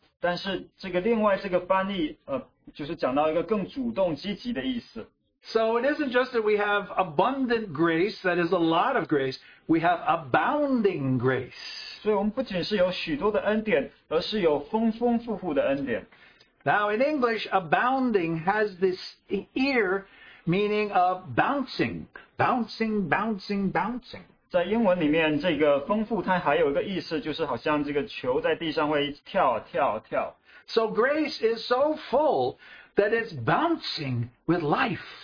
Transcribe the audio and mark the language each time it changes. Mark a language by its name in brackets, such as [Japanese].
[Chinese] 但是这个另外这个翻译, 就是讲到一个更主动积极的意思。 [English] So it isn't just that we have abundant grace, that is a lot of grace, we have abounding grace. [Chinese] 所以我们不仅是有许多的恩典, 而是有丰丰富富的恩典。 [English] Now in English, abounding has this ear meaning of bouncing, bouncing, bouncing, bouncing. [Chinese] 在英文里面，这个丰富它还有一个意思，就是好像这个球在地上会跳跳跳。So [English] grace is so full that it's bouncing with life.